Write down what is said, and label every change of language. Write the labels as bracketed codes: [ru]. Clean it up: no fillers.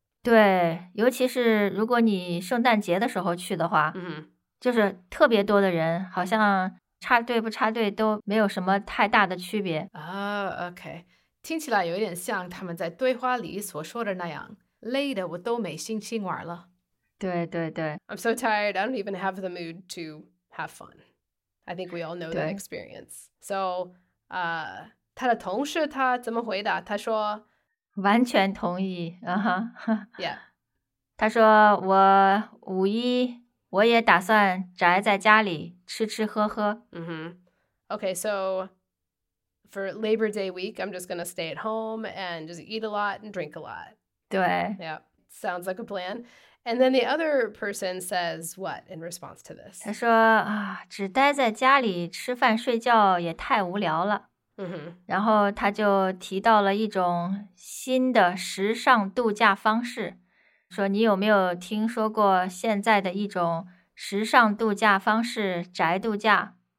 [zh] 对，尤其是如果你圣诞节的时候去的话，嗯，就是特别多的人，好像。插队不插队都没有什么太大的区别啊。 OK， 听起来有一点像他们在对话里所说的那样，累的我都没心情玩了。对对对 [en] ，I'm so tired. I don't even have the mood to have fun. I think we all know that experience. [zh] So, 他的同事他怎么回答？他说，完全同意。啊哈 [en] ，Yeah， [zh] 他说我五一。我也打算宅在家里吃吃喝喝。 Mm-hmm. [en] Okay, so for Labor Day week, I'm just going to stay at home and just eat a lot and drink a lot. [zh] 对。 [en] Yeah, sounds like a plan. And then the other person says what in response to this? [zh] 他说啊，只待在家里吃饭睡觉也太无聊了。 Mm-hmm. 然后他就提到了一种新的时尚度假方式。说你有没有听说过现在的一种时尚度假方式宅度假